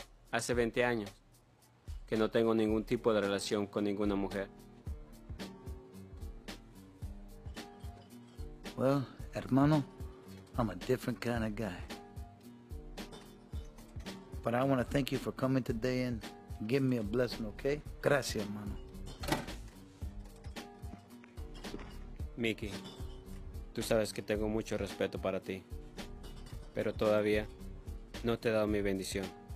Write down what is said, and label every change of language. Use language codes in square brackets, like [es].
[es] Hace 20 años que no tengo ningún tipo de relación con ninguna mujer. [en] Well, [es] hermano, [en] I'm a different kind of guy. But I want to thank you for coming today and give me a blessing, okay? [es] Gracias, hermano. Mickey, tú sabes que tengo mucho respeto para ti, pero todavía no te he dado mi bendición.